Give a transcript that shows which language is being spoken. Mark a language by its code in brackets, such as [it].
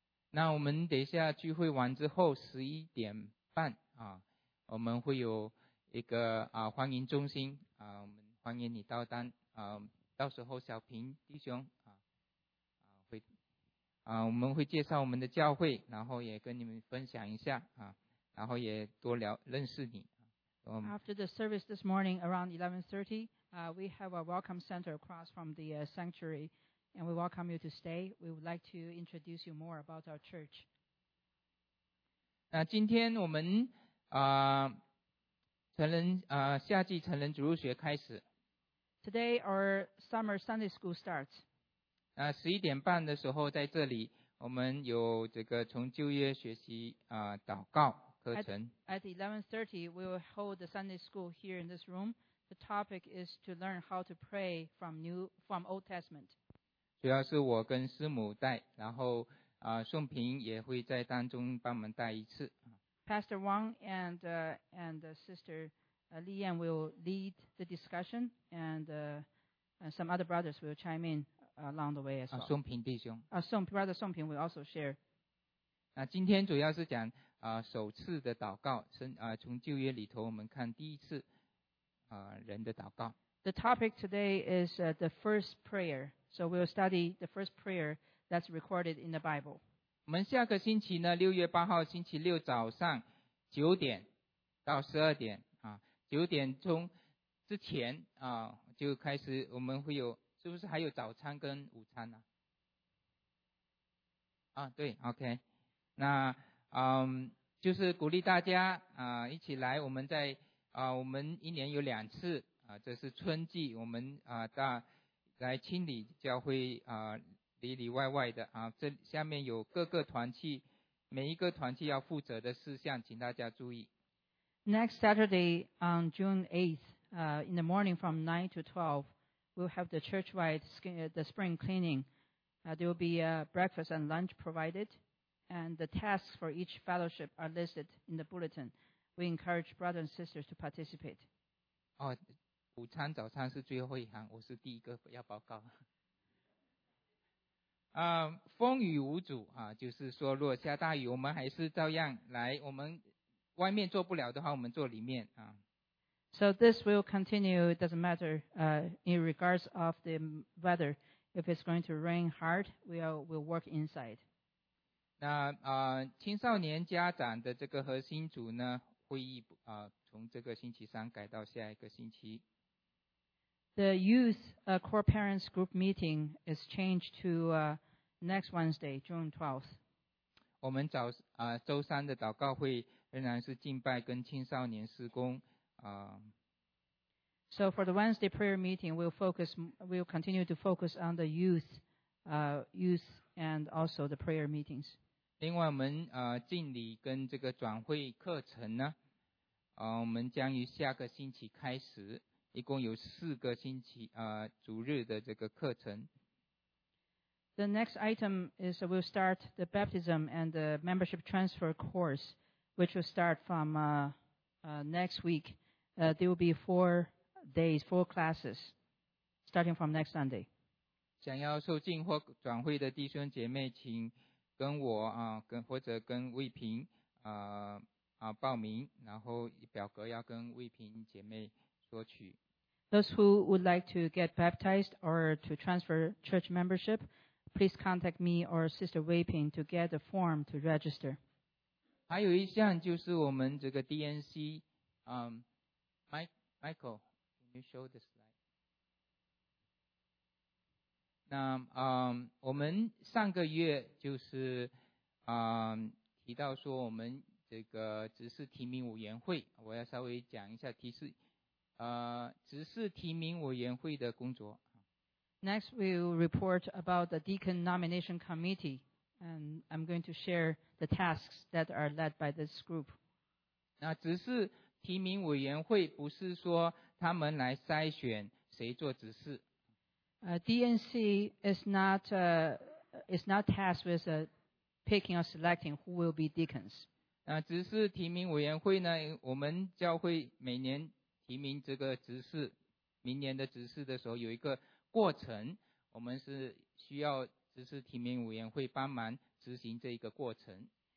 [zh] 那我们等一下聚会完之后11:30啊，我们会有一个欢迎中心啊，我们欢迎你到当啊。到时候小平弟兄我们会介绍我们的教会，然后也跟你们分享一下然后也多聊认识你。 [en] After the service this morning around 11:30, we have a welcome center across from the sanctuary, and we welcome you to stay. We would like to introduce you more about our church. [zh] 那今天我们夏季成人主日学开始。 [en] Today our summer Sunday school starts. [zh] 11:30的时候在这里我们有这个从旧约学习祷告课程。 [en] At 11:30 we will hold the Sunday school here in this room. The topic is to learn how to pray from Old Testament. [zh] 主要是我跟师母带，然后宋平也会在当中帮忙带一次。 [en] Pastor Wang and Sister Li Yan will lead the discussion, and some other brothers will chime in along the way as well. [zh] 宋平弟兄。 [en] Brother 宋平 will also share. [zh] 那今天主要是讲首次的祷告，从旧约里头我们看第一次人的祷告。 [en] The topic today is the first prayer, so we'll study the first prayer that's recorded in the Bible. [zh] 我们下个星期呢，6月8号星期六早上9:00-12:00。九点钟之前就开始，我们会有是不是还有早餐跟午餐呢？啊，对 ，OK， 那就是鼓励大家一起来，我们在我们一年有两次这是春季，我们来清理教会里里外外的这下面有各个团契，每一个团契要负责的事项，请大家注意。 [en] Next Saturday on June 8th, in the morning from 9 to 12, we'll have the churchwide the spring cleaning. There will be a breakfast and lunch provided, and the tasks for each fellowship are listed in the bulletin. We encourage brothers and sisters to participate. [zh] 哦，午餐、早餐是最后一行，我是第一个要报告。风雨无阻就是说若下大雨，我们还是照样来，我们外面做不了的话，我们做里面 [en] So this will continue. It doesn't matter in regards of the weather. If it's going to rain hard, we'll work inside. [zh] 那青少年家长的这个核心组呢，会议从这个星期三改到下一个星期。 [en] The youth core parents group meeting is changed to next Wednesday, June 12th. [zh] 我们早周三的祷告会。仍然是敬拜跟青少年事工 [en] So for the Wednesday prayer meeting, we'll continue to focus on the youth and also the prayer meetings. [zh] 另外，我们敬礼跟这个转会课程呢，我们将于下个星期开始，一共有四个星期主日的这个课程。 [en] The next item is we'll start the baptism and the membership transfer course. Which will start from next week. There will be four classes, starting from next Sunday. [zh] 想要受浸或转会的弟兄姐妹，请跟我或者跟魏平报名，然后表格要跟魏平姐妹索取。 [en] Those who would like to get baptized or to transfer church membership, please contact me or Sister Wei Ping to get a form to register. [zh] 还有一项就是我们这个 DNC [en] Michael can you show the slide [zh] 那我们上个月就是提到说我们这个执事提名委员会，我要稍微讲一下执事提名委员会的工作。 [en] Next we'll report about the Deacon Nomination Committee. And I'm going to share the tasks that are led by this group. [zh] 那执事提名委员会不是说他们来筛选谁做执事。 [en] DNC is not tasked with picking or selecting who will be deacons. [zh] 那执事提名委员会呢？我们教会每年提名这个执事，明年的执事的时候有一个过程，我们是需要。执事提名委员会帮忙执行这一个过程。